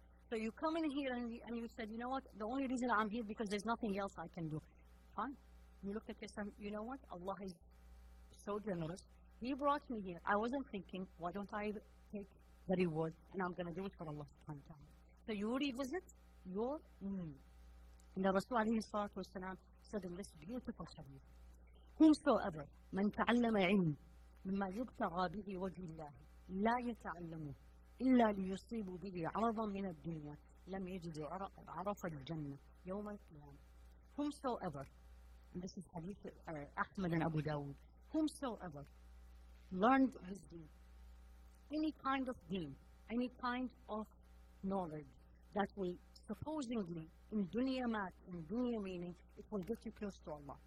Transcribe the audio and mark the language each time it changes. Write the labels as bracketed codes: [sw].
[en] So you come in here and you said, you know what? The only reason I'm here because there's nothing else I can do. Fine. You look at yourself, you know what? Allah is so generous. He brought me here. I wasn't thinking, why don't I take the reward, and I'm going to do it for Allah subhanahu wa ta'ala. So you revisit your meaning. And the Rasul alayhi salatu wa salam said in this beautiful hadith, whomsoever, [ar] من تعلم علم مما يبتغى به وجه الله لا يتعلمه إلا ليصيب به عرضا من الدنيا لم يجد عرف الجنة يوم القيامة. [en] Whomsoever, and this is hadith Ahmad and Abu Dawood, whomsoever learned his deen, any kind of deen, any kind of knowledge that will supposedly, in dunya math, in dunya meaning, it will get you close to Allah.